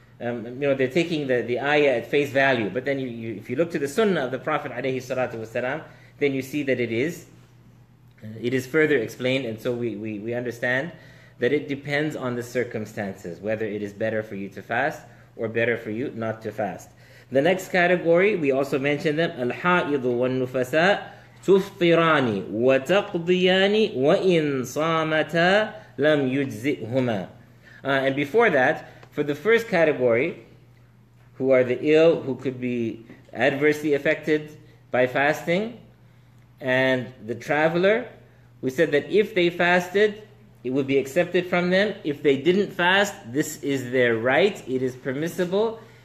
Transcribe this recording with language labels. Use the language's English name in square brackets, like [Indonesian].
[English] You know, they're taking the ayah at face value. But then if you look to the sunnah of the Prophet ﷺ, then you see that it is it is further explained, and so we understand that it depends on the circumstances, whether it is better for you to fast or better for you not to fast. The next category, we also mentioned them, [Arabic] الحائض والنفساء تفطران وتقضيان وإن صامتا لم يجزئهما. [English] And before that, for the first category, who are the ill, who could be adversely affected by fasting, and the traveler, we said that if they fasted, it would be accepted from them. If they didn't fast, this is their right, it is permissible.